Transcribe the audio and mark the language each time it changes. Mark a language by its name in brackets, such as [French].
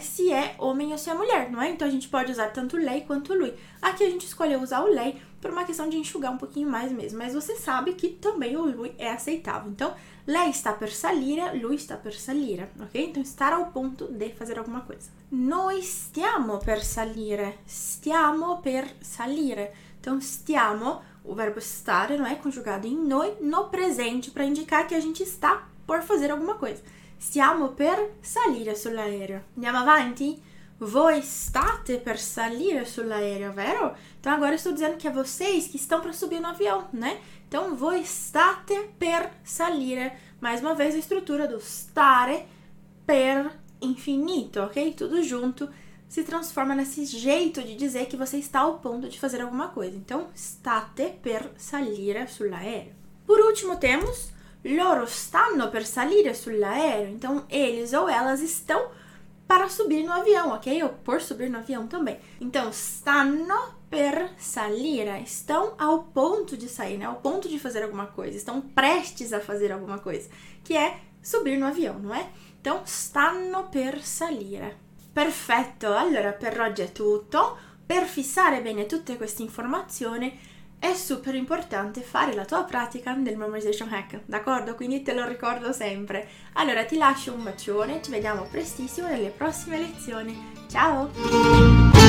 [Portuguese] Se é homem ou se é mulher, não é? Então, a gente pode usar tanto lei quanto lui. Aqui, a gente escolheu usar o lei por uma questão de enxugar um pouquinho mais mesmo. Mas você sabe que também o lui é aceitável. Então, lei está per salire, lui está per salire, ok? Então, estar ao ponto de fazer alguma coisa. [Italian] Noi stiamo per salire, stiamo per salire. [Portuguese] Então, stiamo, o verbo estar, não é? Conjugado em noi, no presente, para indicar que a gente está por fazer alguma coisa. [Italian] Stiamo per salire sull'aereo. Andiamo avanti? Voi state per salire sull'aereo, vero? [Portuguese] Então, agora eu estou dizendo que é vocês que estão para subir no avião, né? [Italian] Então, voi state per salire. [Portuguese] Mais uma vez, a estrutura do stare per infinito, ok? Tudo junto se transforma nesse jeito de dizer que você está ao ponto de fazer alguma coisa. [Italian] Então, state per salire sull'aereo. [Portuguese] Por último, temos [Italian] loro stanno per salire sull'aereo. [Portuguese] Então, eles ou elas estão para subir no avião, ok? Ou por subir no avião também. [Italian] Então, stanno per salire. [Portuguese] Estão ao ponto de sair, né? Ao ponto de fazer alguma coisa. Estão prestes a fazer alguma coisa. Que é subir no avião, não é? [Italian] Então, stanno per salire. Perfetto! Allora, per oggi è tutto. Per fissare bene tutte queste informazioni, è super importante fare la tua pratica del memorization hack, d'accordo? Quindi te lo ricordo sempre. Allora, ti lascio un bacione, ci vediamo prestissimo nelle prossime lezioni. Ciao!